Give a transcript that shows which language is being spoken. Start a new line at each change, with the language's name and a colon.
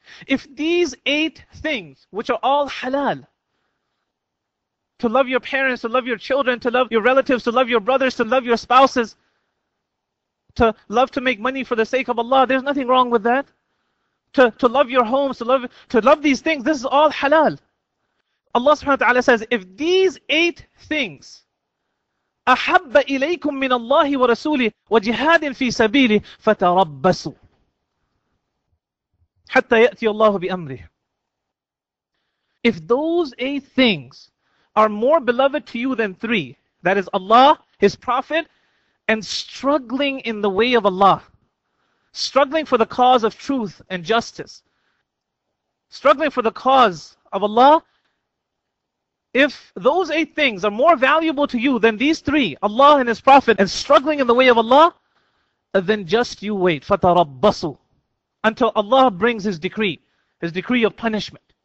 English: If these eight things, which are all halal, to love your parents, to love your children, to love your relatives, to love your brothers, to love your spouses, to love to make money for the sake of Allah, there's nothing wrong with that. to love your homes, to love these things, this is all halal. Allah subhanahu wa ta'ala says, if these eight things,
Arabic: أَحَبَّ إِلَيْكُم مِّنَ اللَّهِ وَرَسُولِهِ وَجِهَادٍ فِي سَبِيلِهِ فَتَرَبَّصُوا حَتَّى يَأْتِيَ اللَّهُ بِأَمْرِهِ.
English: If those eight things are more beloved to you than three, that is Allah, His Prophet, and struggling in the way of Allah, struggling for the cause of truth and justice, struggling for the cause of Allah, if those eight things are more valuable to you than these three, Allah and His Prophet, and struggling in the way of Allah, then just you wait, فَتَرَبَّصُوا, until Allah brings His decree of punishment.